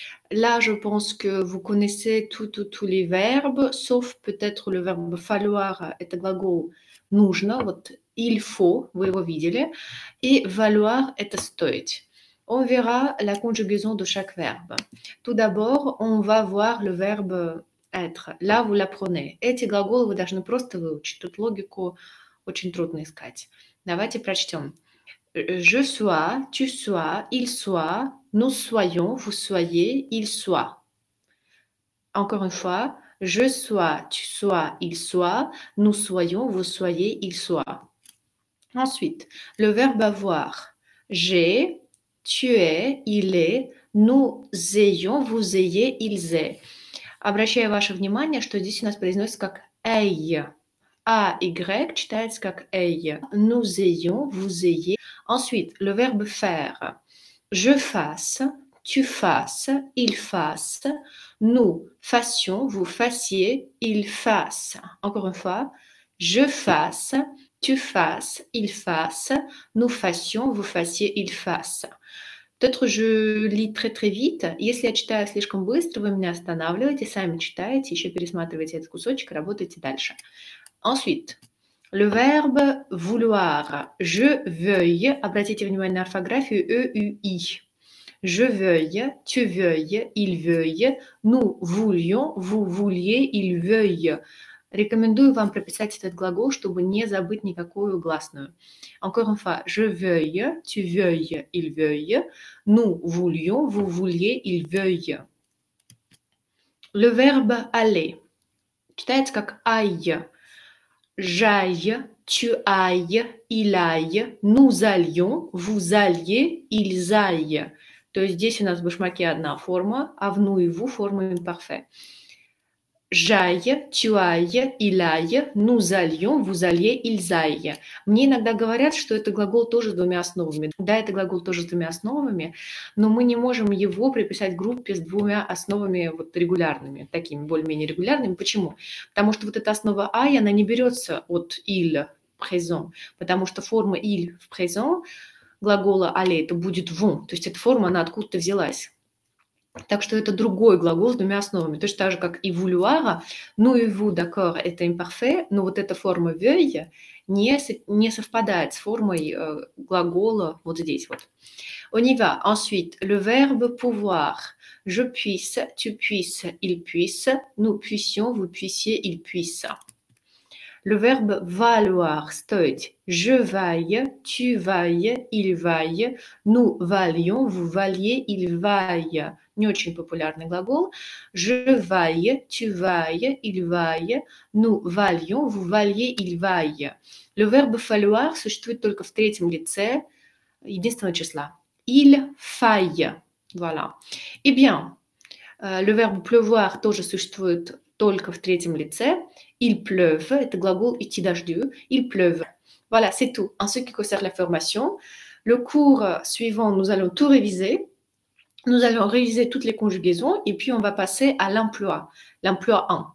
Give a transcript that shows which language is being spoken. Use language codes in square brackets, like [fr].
[fr] Là, je pense que vous connaissez tous les verbes, sauf peut-être le verbe falloir, [ru] это глагол нужно, вот [fr] il faut, вы его видели, et valoir, [ru] это стоить. [fr] On verra la conjugaison de chaque verbe. Tout d'abord, on va voir le verbe être. Là, vous l'apprenez. [ru] Эти глаголы вы должны просто выучить. Тут логику очень трудно искать. Давайте прочтем. [fr] Je sois, tu sois, il soit, nous soyons, vous soyez, il soit. Encore une fois, je sois, tu sois, il soit, nous soyons, vous soyez, il soit. Ensuite, le verbe avoir. J'ai, tu es, il est, nous ayons, vous ayez, ils aient. [ru] Обращаю ваше внимание, что здесь у нас произносится как «эй». «А» и «грек» читается как «эй». [fr] «Нous ayons», «вous ayez». Ensuite, le verbe «faire». «Je fasse», «tu fasses», «il fasse», «nous fassions», «vous fassiez», «il fasse». Encore une fois, «je fasse», «tu fasses», «il fasse», «nous fassions», «vous fassiez», «il fasse». Peut-être je lis très très vite. [ru] Если я читаю слишком быстро, вы меня останавливаете, сами читаете, еще пересматриваете этот кусочек, работаете дальше. [fr] Ensuite, le verbe vouloir. Je veuille. [ru] Обратите внимание на орфографию EUI. [fr] Je veuille, tu veuilles, il veuille, nous voulions, vous vouliez, il veuille. [ru] Рекомендую вам прописать этот глагол, чтобы не забыть никакую гласную. [fr] Encore une fois, je veuille, tu veuilles, il veuille, nous voulions, vous vouliez, il veuille. Le verbe aller. [ru] Читается как aille. [fr] J'aille, tu ailles, il aille, nous allions, vous alliez, ils aillent. [ru] То есть здесь у нас в башмаке одна форма, а в ну и ву форма имперфект. [fr] J'aille, tu ailles, il aille, nous allions, vous alliez, ils aillent. [ru] Мне иногда говорят, что это глагол тоже с двумя основами. Да, это глагол тоже с двумя основами, но мы не можем его приписать группе с двумя основами вот регулярными, такими более-менее регулярными. Почему? Потому что вот эта основа «ай», она не берется от «il» в «présent», потому что форма «il» в «présent» глагола «aller» — это будет «vont», то есть эта форма, она откуда-то взялась. Так что это другой глагол с двумя основами. Точно так же, как и «vouloir». Ну и «vous», d'accord, это имперфе, но вот эта форма «veuille» не совпадает с формой глагола вот здесь вот. [fr] On y va. Ensuite, le verbe «pouvoir». Je puisse, tu puisses, il puisse, nous puissions, vous puissiez, il puisse. Le verbe valoir, стоить. Je vaille, tu vailles, il vaille, nous valions, vous valiez, il vaille. [ru] Не очень популярный глагол. [fr] Je vaille, tu vailles, il vaille, nous valions, vous valiez, il vaille. Le verbe falloir [ru] существует только в третьем лице единственного числа. Il faille. Voilà. [fr] Eh bien, le verbe pleuvoir [ru] тоже существует только в третьем лице. [fr] Il pleuve, [ru] это глагол идти дождю. [fr] Il pleuve. Voilà, c'est tout. En ce qui concerne la formation, le cours suivant, nous allons tout réviser. Nous allons réviser toutes les conjugaisons et puis on va passer à l'emploi, l'emploi 1.